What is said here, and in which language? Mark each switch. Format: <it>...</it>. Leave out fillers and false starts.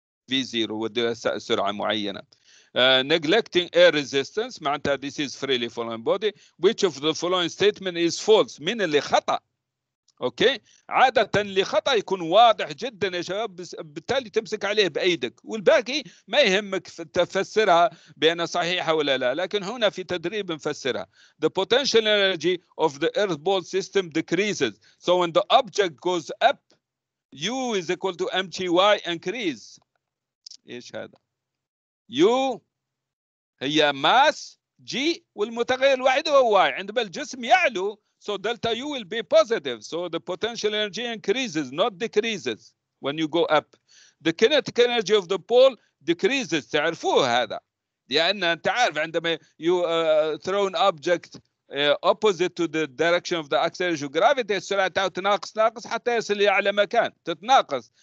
<en>V0</en> <ar>ودي سرعة معينة.</ar> <en>Neglecting air resistance</en> <ar>معناتها</ar> <en>this is freely falling body. Which of the following statement is false؟</en> <ar>من اللي خطأ؟ أوكي؟ عادة لخطأ يكون واضح جدا يا شباب، بالتالي تمسك عليه بأيدك، والباقي ما يهمك تفسرها بأنها صحيحة ولا لا، لكن هنا في تدريب نفسرها.</ar> <en>The potential energy of the earth ball system decreases. So when the object goes up, U is equal to MGY increase.</en> <ar>إيش هذا؟ U هي mass, G والمتغير الواحد هو Y. عندما الجسم يعلو،</ar> <en>so delta U will be positive. So the potential energy increases, not decreases when you go up. The kinetic energy of the ball decreases.</en> <ar>تعرفوه هذا. لأن أنت عارف عندما</ar> <en>you throw an object opposite to the direction of the acceleration of gravity,</en> <ar>السرعة تتناقص ناقص حتى يصل إلى مكان. تتناقص.</ar>